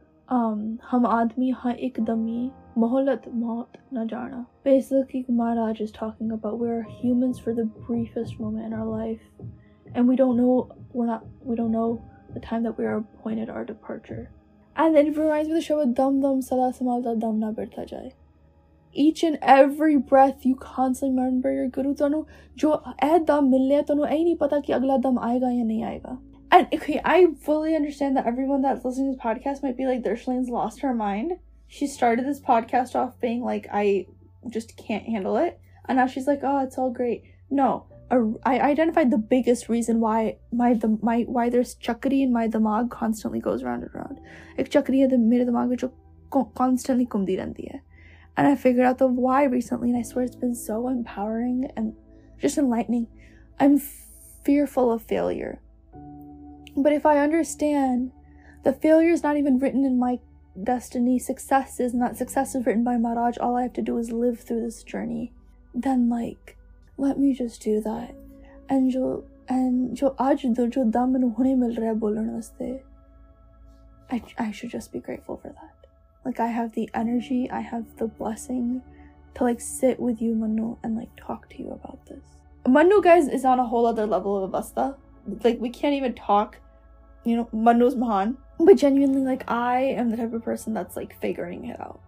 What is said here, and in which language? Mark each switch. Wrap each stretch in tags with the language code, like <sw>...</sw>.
<pa>Hum aadmi hai ik dami, mohlat maut na jaana.</pa> <en>Basically, Maharaj is talking about we're humans for the briefest moment in our life. and we don't know the time that we are appointed our departure. And then it reminds me of the show with</en> <pa>Dum Dum Sada Samada Dum Na Birta Jai.</pa> <en>Each and every breath you constantly remember your guru</en> <pa>ਤੈਨੂੰ ਜੋ ਇਹ ਦਮ ਮਿਲੇ ਤੈਨੂੰ ਇਹ ਨਹੀਂ ਪਤਾ ਕਿ ਅਗਲਾ ਦਮ ਆਏਗਾ ਯਾ ਨਹੀਂ ਆਏਗਾ.</pa> <en>And okay, I fully understand that everyone that's listening to this podcast might be like, Dershlane's lost her mind. She started this podcast off being like, I just can't handle it. And now she's like, oh, it's all great. No, I identified the biggest reason why why there's chakri in my dimag constantly goes round and round.</en> <pa>ਇਕ ਚੱਕਰੀ ਹੈ ਮੇਰੇ ਦਿਮਾਗ ਜੋ constantly ਘੁੰਮਦੀ ਰਹਿੰਦੀ ਹੈ.</pa> <en>And I figured out the why recently, and I swear it's been so empowering and just enlightening. I'm fearful of failure. But if I understand the failure is not even written in my destiny, success is, and that success is written by Maharaj, all I have to do is live through this journey, then like, let me just do that.</en> <pa>And ਜੋ ਅੱਜ ਜੋ ਦਮ ਮੈਨੂੰ ਹੋਣ ਮਿਲ ਰਿਹਾ ਹੈ ਬੋਲਣ ਵਾਸਤੇ,</pa> <en>I should just be grateful for that. Like, I have the energy, I have the blessing to like sit with you, Manu, and like talk to you about this. Manu, guys, is on a whole other level of avastha. Like, we can't even talk, you know. Manu's mahan. But genuinely, like, I am the type of person that's like figuring it out.</en>